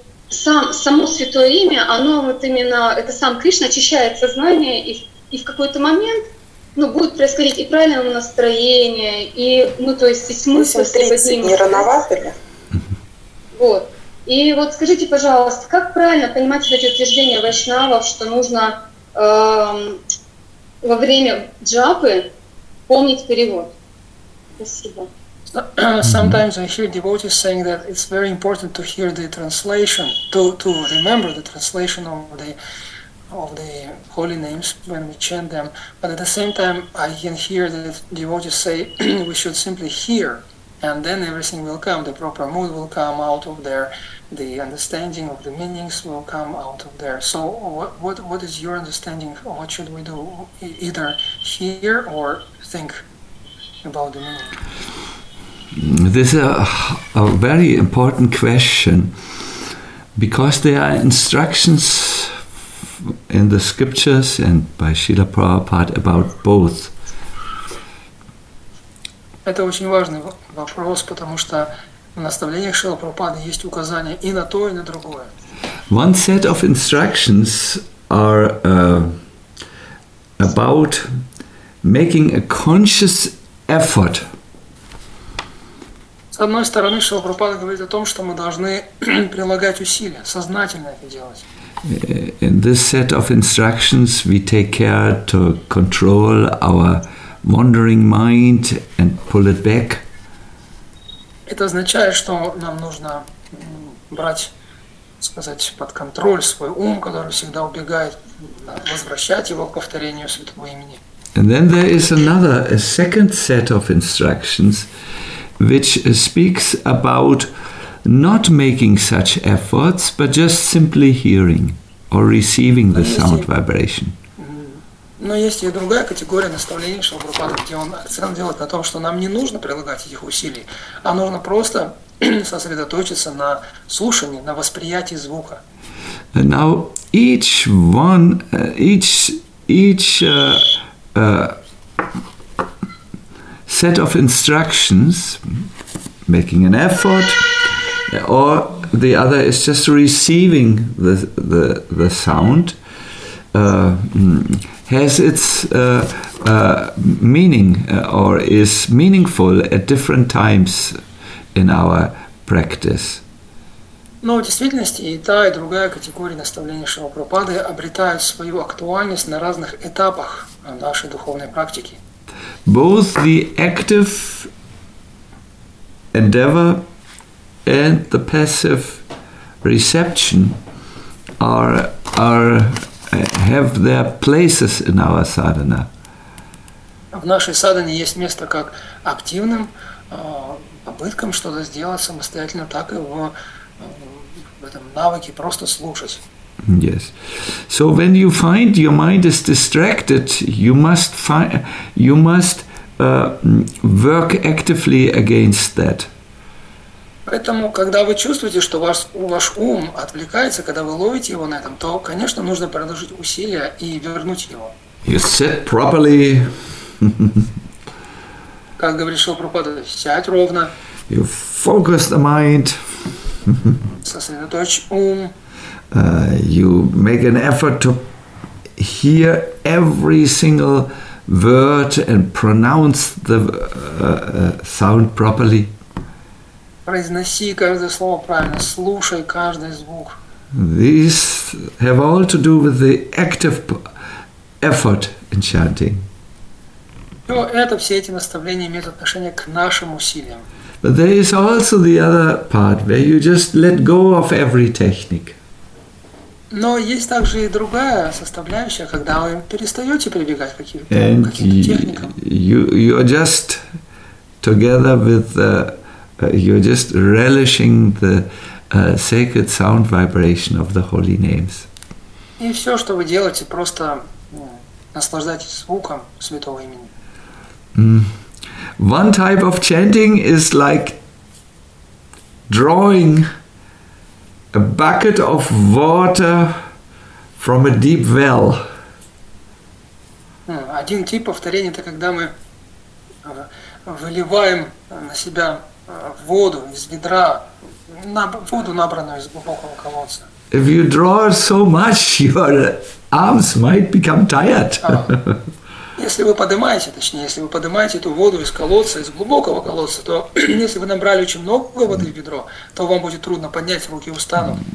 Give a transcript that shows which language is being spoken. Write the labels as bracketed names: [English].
[Russian] Само святое имя, оно вот именно, это сам Кришна очищает сознание, и в какой-то момент, будет происходить и правильное настроение, и, то есть, и смысл требования. Не рановато ли? Вот. И вот скажите, пожалуйста, как правильно понимать эти утверждения вайшнавов, что нужно во время джапы помнить перевод. Спасибо. [English] Sometimes I hear devotees saying that it's very important to hear the translation, to remember the translation of the holy names when we chant them. But at the same time, I can hear the devotees say we should simply hear, and then everything will come. The proper mood will come out of there. The understanding of the meanings will come out of there. So, what is your understanding? What should we do? Either hear or think about the meaning. This is a very important question, because there are instructions in the scriptures and by Srila Prabhupada about both. [Russian] Это очень важный вопрос, потому что в наставлениях Шрилы Прабхупады есть указания и на то, и на другое. [English] One set of instructions are about making a conscious effort. [Russian] С одной стороны, Шрила Прабхупада говорит о том, что мы должны прилагать усилия, сознательно это делать. [English] In this set of instructions, we take care to control our wandering mind and pull it back. [Russian] Это означает, что нам нужно брать, сказать, под контроль свой ум, который всегда убегает, возвращать его к повторению святого имени. [English] And then there is another, a second set of instructions, which speaks about not making such efforts, but just simply hearing or receiving the sound vibration. [Russian] Но есть и другая категория наставлений Шрилы Прабхупады, где он акцент делает на том, что нам не нужно прилагать этих усилий, а нужно просто сосредоточиться на слушании, на восприятии звука. [English] And now each set of instructions, making an effort, or the other is just receiving the sound, has its meaning or is meaningful at different times in our practice. [Russian] Но в действительности и та, и другая категория наставлений Шрилы Прабхупады обретают свою актуальность на разных этапах нашей духовной практики. [English] Both the active endeavor and the passive reception have their places in our sadhana. [Russian] В нашей садхане есть место как активным попыткам что-то сделать самостоятельно, так и в этом навыке просто слушать. [English] Yes. So when you find your mind is distracted, you must work actively against that. [Russian] Поэтому, когда вы чувствуете, что ваш ум отвлекается, когда вы ловите его на этом, то, конечно, нужно приложить усилия и вернуть его. [English] You sit properly. [Russian] Как говорит Шрила Прабхупада, сядь ровно. [English] You focus the mind. [Russian] Сосредоточь ум. [English] You make an effort to hear every single word and pronounce the sound properly. [Russian] Произноси каждое слово правильно, слушай каждый звук. [English] These have all to do with the active effort in chanting. [Russian] Но это все эти наставления имеют отношение к нашим усилиям. [English] But there is also the other part where you just let go of every technique. [Russian] Но есть также и другая составляющая, когда вы перестаете прибегать к каким-то техникам. [English] You're just together with the you're just relishing the sacred sound vibration of the holy names. [Russian] И все, что вы делаете, просто наслаждайтесь звуком святого имени. [English] One type of chanting is like drawing a bucket of water from a deep well. [Russian] Один тип повторения — это когда мы выливаем на себя воду из ведра, воду, набранную из глубокого колодца. [English] If you draw so much, your arms might become tired. [Russian] Если вы поднимаете, точнее, если вы поднимаете эту воду из колодца, из глубокого колодца, то если вы набрали очень много воды в ведро, то вам будет трудно поднять, руки устанут.